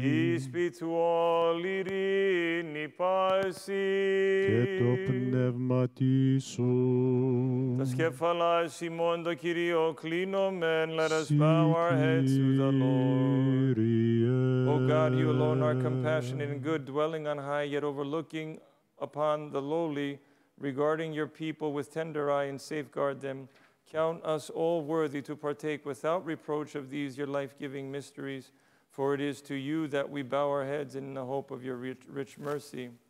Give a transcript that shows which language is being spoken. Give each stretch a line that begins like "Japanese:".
English: Peace be to all
Greek: ειρήνη πάση. Και το πνεύμα σου. Τα σκεφαλάς ημών το Κύριο κλείνομεν.
English: Let us bow our heads to the Lord. O God, you alone are compassionate and good, dwelling on high, yet overlooking upon the lowly, regarding your people with tender eye and safeguard them, count us all worthy to partake without reproach of these your life-giving mysteries, for it is to you that we bow our heads in the hope of your rich mercy.